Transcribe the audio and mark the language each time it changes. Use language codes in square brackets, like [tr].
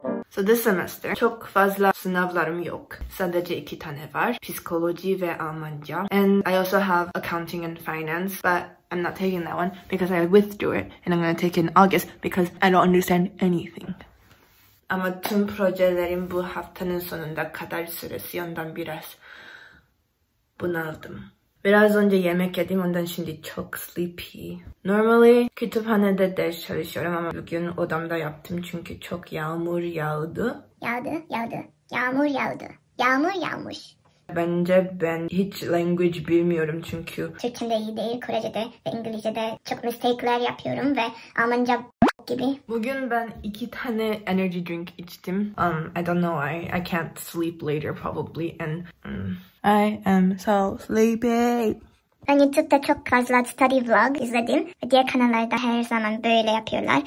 [en] So this semester [tr] çok fazla sınavlarım yok. Sadece 2 tane var. Psikoloji ve Almanca. [en] And I also have accounting and finance, but I'm not taking that one because I withdrew it and I'm going to take it in August because I don't understand anything. [tr] Ama tüm projelerim bu haftanın sonunda kadar süresi ondan biraz bunaldım. Biraz önce yemek yedim ondan şimdi çok sleepy. Normally kütüphanede ders çalışıyorum ama bugün odamda yaptım çünkü çok yağmur yağdı. Yağmur yağmış. Bence ben hiç language bilmiyorum çünkü Türkçe'de iyi değil, Korece'de ve İngilizce'de çok mistake'ler yapıyorum ve Almanca gibi. Bugün ben 2 tane energy drink içtim. [en] I don't know why. I can't sleep later probably and I am so sleepy. [tr] Ben YouTube'da çok fazla study vlog izledim ve diğer kanallarda her zaman böyle yapıyorlar.